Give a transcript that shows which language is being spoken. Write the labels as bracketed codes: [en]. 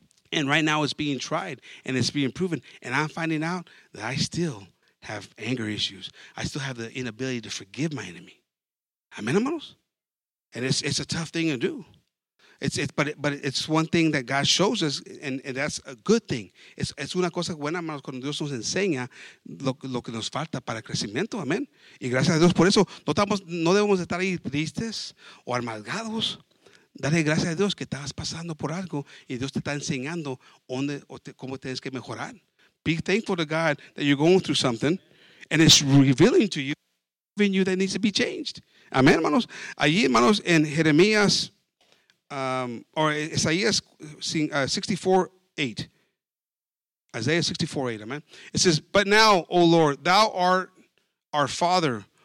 [en] And right now it's being tried. And it's being proven. And I'm finding out that I still have anger issues. I still have the inability to forgive my enemy. Amen, hermanos? And it's a tough thing to do. It's one thing that God shows us, and that's a good thing. [es] Es una cosa buena, hermanos, cuando Dios nos enseña lo que nos falta para el crecimiento. Amén. Y gracias a Dios por eso. No debemos estar ahí tristes o amargados. Dale gracias a Dios que estás pasando por algo y Dios te está enseñando dónde o cómo tienes que mejorar. [en] Be thankful to God that you're going through something and it's revealing to you, giving you that needs to be changed. [es] Amén, hermanos. Allí, hermanos, en Jeremías, or Isaías 64:8. [en] Isaiah 64:8, amen. It says, "But now, O Lord, thou art our Father.